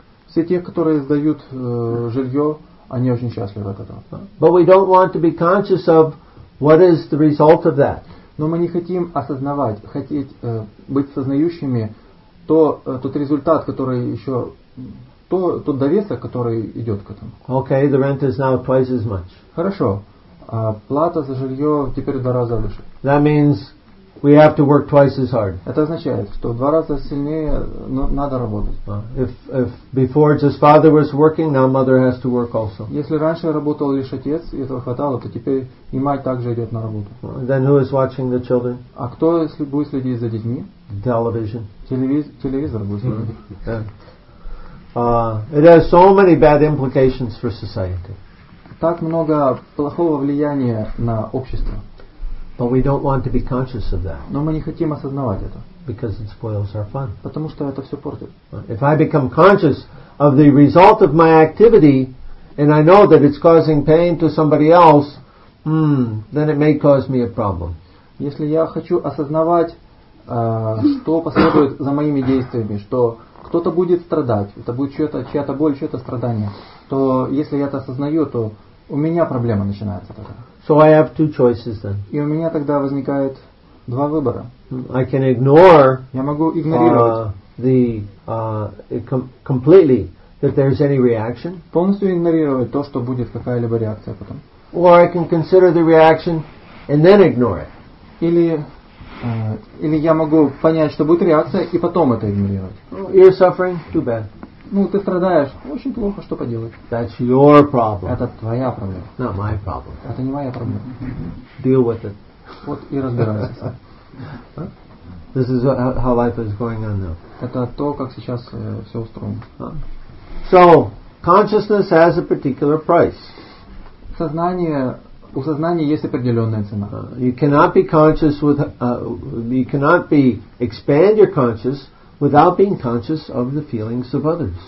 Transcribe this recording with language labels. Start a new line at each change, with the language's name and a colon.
Russian: Все те, которые сдают жилье, они очень счастливы от этого.
English: But we don't want to be conscious of what is the result of that.
Russian: Но мы не хотим осознавать, хотеть быть сознающими тот результат, который еще тот довесок, который идет к этому.
English: Okay, the rent is now twice as much.
Russian: Хорошо. Плата за жилье теперь в два раза выше.
English: That means we have to work twice as hard.
Russian: Это означает, что в два раза сильнее надо работать.
English: If before just father was working, now mother has to work also.
Russian: Если раньше работал лишь отец, и этого хватало, то теперь и мать также идет на работу.
English: Then who is watching the children?
Russian: А кто будет следить за детьми?
English: Television.
Russian: Телевизор будет следить.
English: It has so many bad implications for society.
Russian: Так много плохого влияния на общество.
English: But we don't want to be conscious of that.
Russian: Но мы не хотим осознавать это.
English: because it spoils our fun.
Russian: Потому что это все портит.
English: If I become conscious of the result of my activity and I know that it's causing pain to somebody else, then it may cause me a problem.
Russian: Если я хочу осознавать, что последует за моими действиями, что кто-то будет страдать, это будет чья-то боль, чье-то страдание, то если я это осознаю, то у меня проблема начинается тогда.
English: So I have two choices then.
Russian: И у меня тогда возникает два выбора.
English: I can ignore,
Russian: я могу игнорировать
English: completely that there's any reaction.
Russian: Полностью игнорировать то, что будет какая-либо реакция потом.
English: Or I can consider the reaction and then ignore it.
Russian: Или я могу понять, что будет реакция, и потом это игнорировать.
English: You're suffering, too bad.
Russian: Ну, ты страдаешь, очень плохо, что поделать.
English: That's your problem.
Russian: Это твоя проблема.
English: Not my problem.
Russian: Это не моя проблема.
English: Deal with it.
Russian: Вот и разбирайся.
English: This is how life is going on now.
Russian: Это то, как сейчас все устроено.
English: So, consciousness has a particular price.
Russian: Сознание... У сознания есть определенная цена.
English: You cannot be conscious with, you cannot be expand your conscious without being conscious of the feelings of others.